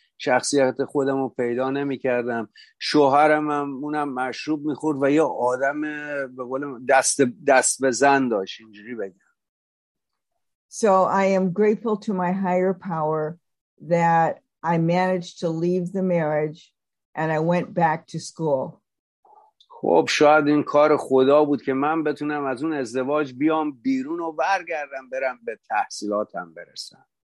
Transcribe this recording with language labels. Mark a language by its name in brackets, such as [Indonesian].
[Persian] شخصیت خودم رو پیدا نمیکردم. شوهرم اونم مشروب میخورد و یه آدم به قول دست به زن داشت. اینجوری بگم. [English] So I am grateful to my higher power that I managed to leave the marriage and I went back to school. [Persian] خب شاید این کار خدا بود که من بتونم از اون ازدواج بیام بیرون و برگردم برم به تحصیلاتم برسم.